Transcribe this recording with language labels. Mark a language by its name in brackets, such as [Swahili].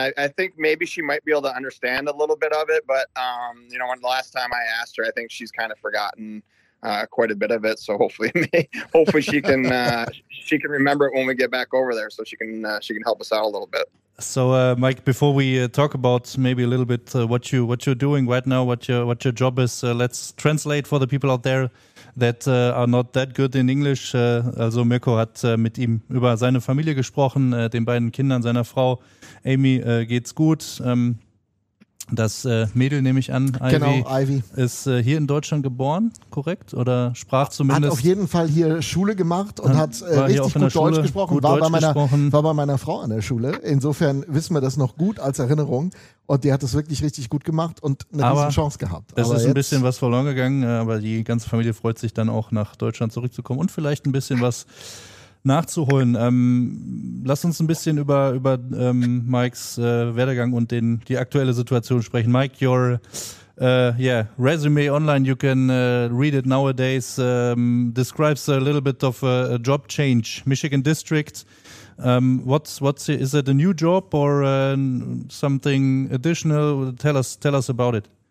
[English] I think maybe she might be able to understand a little bit of it, but you know, when the last time I asked her, I think she's kind of forgotten quite a bit of it. So hopefully she can she can remember it when we get back over there, so she can help us out a little bit. So Mike, before we talk about maybe a little bit what you're doing right now, what your job is, let's translate for the people out there that are not that good in English. [German] Also Mirko hat mit ihm über seine Familie gesprochen, den beiden Kindern, seiner Frau Amy, geht's gut. Das Mädel, nehme ich an, Ivy, genau, Ivy, ist hier in Deutschland geboren, korrekt? Oder sprach zumindest? Hat auf jeden Fall hier Schule gemacht und hat richtig gut Deutsch gesprochen. War bei meiner Frau an der Schule. Insofern wissen wir das noch gut als Erinnerung. Und die hat das wirklich richtig gut gemacht und eine riesen Chance gehabt. Es ist ein bisschen was verloren gegangen, aber die ganze Familie freut sich dann auch, nach Deutschland zurückzukommen und vielleicht ein bisschen was nachzuholen. Lass uns ein bisschen über Mikes Werdegang und die aktuelle Situation sprechen. [English] Mike, your resume online, you can read it nowadays, describes a little bit of a job change. Michigan District, what's is it a new job or something additional? Tell us about it.